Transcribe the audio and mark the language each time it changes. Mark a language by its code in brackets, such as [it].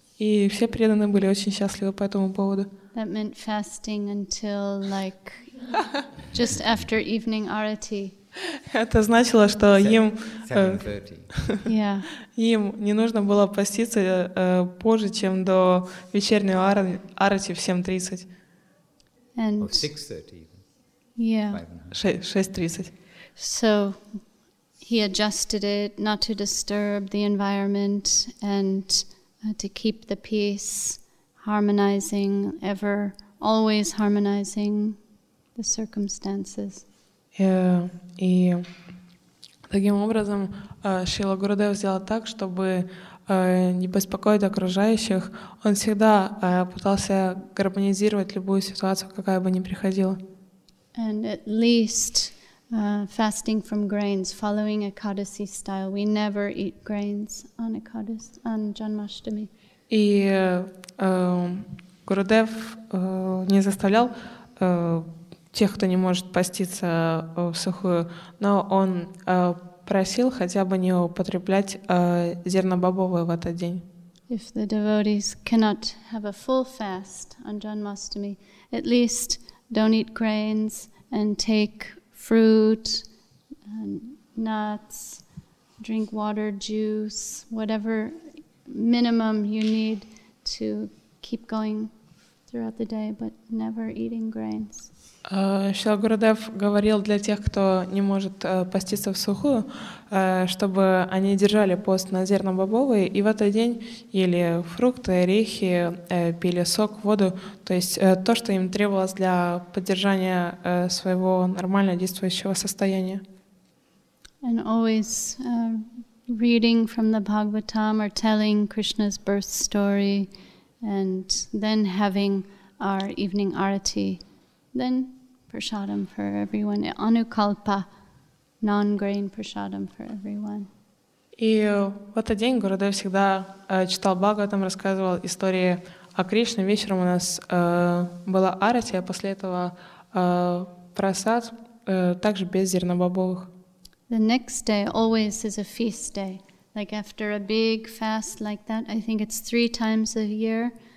[ru] И все преданные были очень счастливы по этому поводу. [en] That meant fasting until like just after evening arati. [ru] Это значило, что им [en] 7:30. Yeah. [ru] Им не нужно было поститься позже, чем до вечерней арати в 7:30. [en] And or 6:30. Yeah. 6:30. So he adjusted it not to disturb the environment and to keep the peace, harmonizing ever, always harmonizing the circumstances. [ru] И таким образом Шрила Гурудев сделал так, чтобы не беспокоить окружающих. Он всегда пытался гармонизировать любую ситуацию, какая бы ни приходила. [en] And at least fasting from grains, following Ekadasi style. We never eat grains on Ekadasi, on Janmashtami. [ru] И Гурудев не заставлял тех, кто не может поститься в сухую, но он просил хотя бы не употреблять зернобобовое в этот день. [en] If the devotees cannot have a full fast on Janmashtami, at least don't eat grains and take fruit, nuts, drink water, juice, whatever minimum you need to keep going throughout the day, but never eating grains. [ru] Шрила Гурудев говорил для тех, кто не может поститься в сухую, чтобы они держали пост на зернобобовые и в этот день ели фрукты, орехи, пили сок, воду, то есть то, что им требовалось для поддержания своего нормально действующего состояния. [en] And always reading from the Bhagavatam or telling Krishna's birth story and then having our evening arati. Then prasadam for everyone, anukalpa, non-grain prasadam for everyone. [ru] И в этот день Гурудев всегда читал Бхагаватам, рассказывал истории о Кришне. Вечером у нас была арати, а после этого прасад также без зернобобовых. [en] The next day always is a feast day. Like after a big fast like that, I think it's 3 times a year.